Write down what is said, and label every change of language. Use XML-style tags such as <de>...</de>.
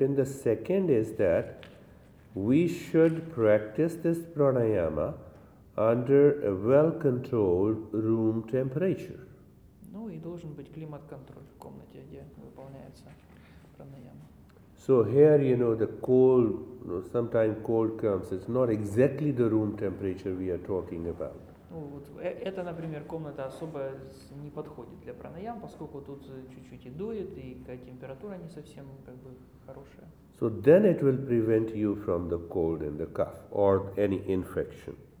<en>And the second is that we should practice this pranayama under a well-controlled room temperature.</en> <ru>Ну и должен быть климат-контроль в комнате, где выполняется пранаяма.</ru> <en>So here, you know, the cold, you know, sometimes cold comes. It's not exactly the room temperature we are talking about.</en> <ru>Ну вот это, например, комната особо не подходит для пранаям, поскольку тут чуть-чуть и дует, и температура не совсем как бы хорошая.</ru> <en>So then it will prevent you from the cold and the cough or any infection.</en>